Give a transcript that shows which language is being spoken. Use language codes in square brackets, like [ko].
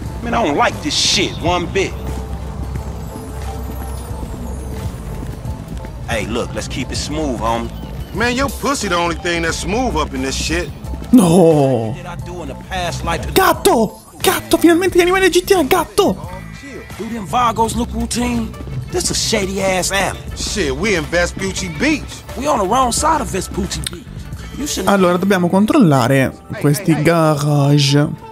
[en] Man, I don't like this shit one bit. Hey, look, let's keep it smooth, homie. Man, your pussy the only thing that's smooth up in this shit. No. What did I do in the past life? [it] Gatto! Gatto, finalmente gli animali GTA, gatto! [en] Do them Vagos look routine? This a shady ass alley. Shit, we in Vespucci Beach. We on the wrong side of Vespucci Beach. [it] Allora, dobbiamo controllare questi garage.